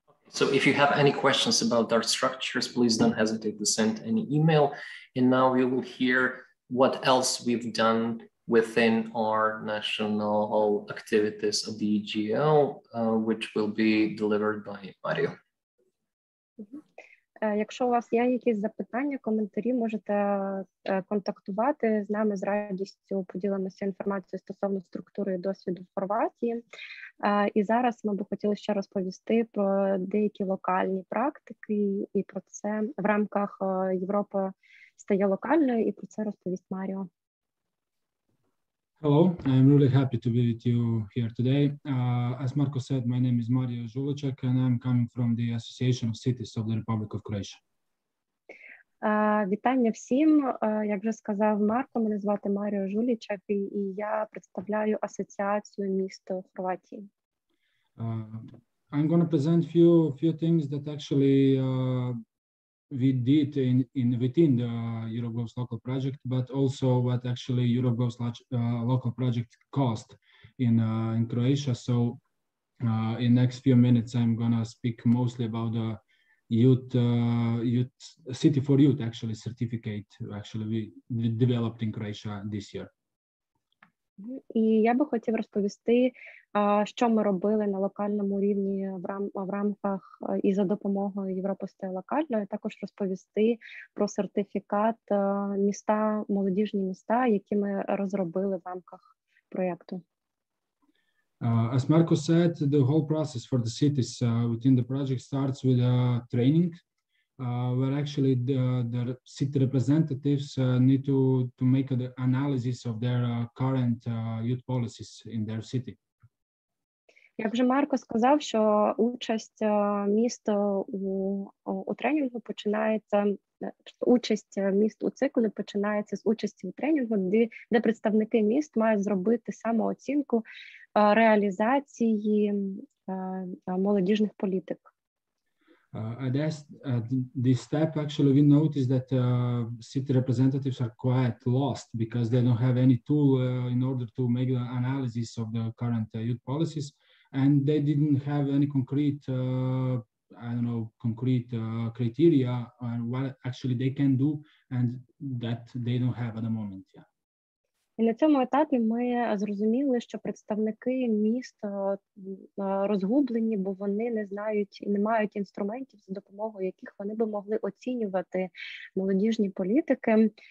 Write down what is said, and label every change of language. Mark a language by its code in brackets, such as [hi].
[en] So if you have any questions about our structures, please don't hesitate to send an email. And now we will hear what else we've done within our national activities of the EGL, which will be delivered by Mario. [uk] Якщо у вас є якісь запитання, коментарі, можете контактувати з нами, з радістю поділимося інформацією стосовно структури і досвіду в Хорватії. І зараз ми б хотіли ще розповісти про деякі локальні практики і про це в рамках Європи стає локальною, і про це розповість Маріо. [en] Hello, I'm really happy to be with you here today. As Marco said, my name is Mario Žulaček and I'm coming from the Association of Cities of the Republic of Croatia. [uk] Вітання всім. Як вже сказав Марко, мене звати Маріо Жулічек, і я представляю Асоціацію міст Хорватії. [en] I'm going to present few things that actually we did within the Eurogrowth local project, but also what actually Eurogrowth local project cost in Croatia. So in next few minutes, I'm gonna speak mostly about the youth city for youth actually certificate actually we developed in Croatia this year. [uk] І я би хотів розповісти, що ми робили на локальному рівні в рамках і за допомогою Європи стає локальною, також розповісти про сертифікат міста, молодіжні міста, які ми розробили в рамках проєкту. [en] As Marco said, the whole process for the cities within the project starts with a training. Where actually the city representatives need to make the analysis of their current youth policies in their city. [uk] Як вже Марко сказав, що участь міста у тренінгу починається, участь міст у циклі починається з участі в тренінгу, де представники міст мають зробити самооцінку реалізації молодіжних політик. [en] At this step, actually, we noticed that city representatives are quite lost because they don't have any tool in order to make the analysis of the current youth policies, and they didn't have any concrete criteria on what actually they can do and that they don't have at the moment. Yeah. [uk] І на цьому етапі ми зрозуміли, що представники міст розгублені, бо вони не знають і не мають інструментів, за допомогою яких вони би могли оцінювати молодіжні політики.